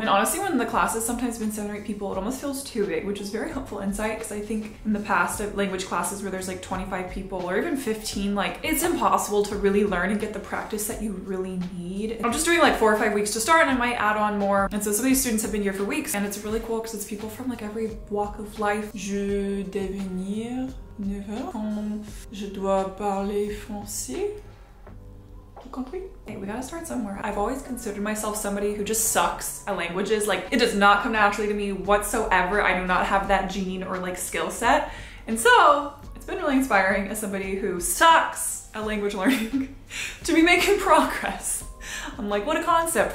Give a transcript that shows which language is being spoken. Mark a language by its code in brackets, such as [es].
[en] And honestly, when the class has sometimes been 7 or 8 people, it almost feels too big, which is very helpful insight, because I think in the past of language classes where there's like 25 people or even 15, like it's impossible to really learn and get the practice that you really need. I'm just doing like 4 or 5 weeks to start, and I might add on more. And so some of these students have been here for weeks, and it's really cool because it's people from like every walk of life. [fr] Je devenir nouveau quand je dois parler français. [en] Hey, we gotta start somewhere. I've always considered myself somebody who just sucks at languages. Like, it does not come naturally to me whatsoever. I do not have that gene or like skill set. And so it's been really inspiring as somebody who sucks at language learning to be making progress. I'm like, what a concept.